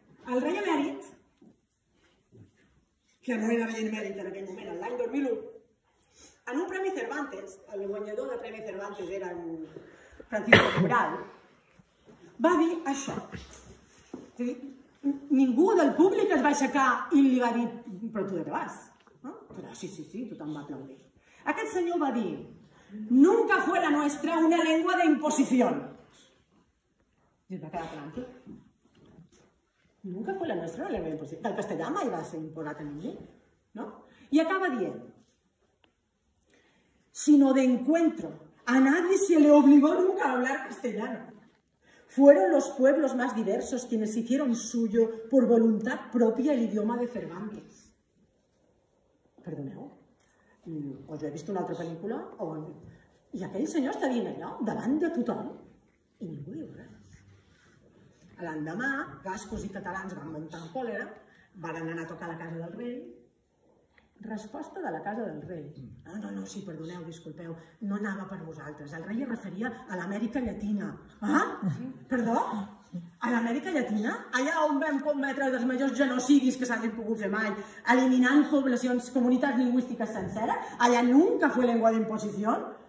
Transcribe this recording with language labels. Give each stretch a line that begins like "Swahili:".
Catalan: El rei emèrit, que no era rei emèrit en aquell moment, l'any 2001, En un Premi Cervantes, el guanyador del Premi Cervantes era un Francisco Cabral, va dir això. És a dir, ningú del públic es va aixecar i li va dir, però tu de què vas? No? Però sí, sí, sí, tothom va aplaudir. Aquest senyor va dir,
Spanish: nunca fuera nuestra una lengua de imposición.
Catalan: I es va quedar tranquil.
Spanish: Nunca fuera nuestra una lengua de imposición.
Catalan: Del castellà mai va ser imposat a ningú. No? I acaba dient,
Spanish: sino de encuentro. A nadie se le obligó nunca a hablar castellano. Fueron los pueblos más diversos quienes hicieron suyo por voluntad propia el idioma de Cervantes.
Catalan: Perdoneu, o jo he vist una altra pel·lícula on... I aquell senyor està dient allò, davant de tothom, i ningú diu res. L'endemà, gascos i catalans van muntar en còlera, van anar a tocar la casa del rei. Resposta de la casa del rei. No, no, no, sí, perdoneu, disculpeu, no anava per vosaltres. El rei es referia a l'Amèrica Llatina. Ah? Perdó? A l'Amèrica Llatina? Allà on vam cometre els majors genocidis que s'hagin pogut fer mai, eliminant poblacions, comunitats lingüístiques senceres? Allà
Spanish: nunca fue lengua de imposición?